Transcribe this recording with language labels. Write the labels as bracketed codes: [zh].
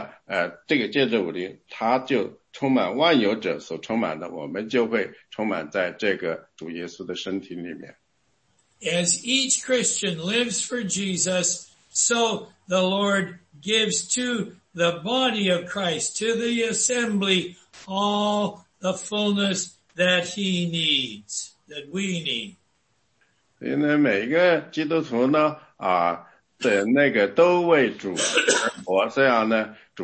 [zh] 所以呢，每个基督徒呢，就是说，我们是主耶稣建造我们，主耶稣把我们每个基督徒建造成为他的身体。所以这样呢，我们每个基督徒都要极度的美丽。这样的话呢，在这个神的这个建筑物里，他就 充满万有者所充满的，我们就会充满在这个主耶稣的身体里面。 [en] As each Christian lives for Jesus, so the Lord gives to the body of Christ, to the assembly, all the fullness that he needs, that we need. [zh] 所以呢，每个基督徒呢，啊，的那个都为主而活，这样呢。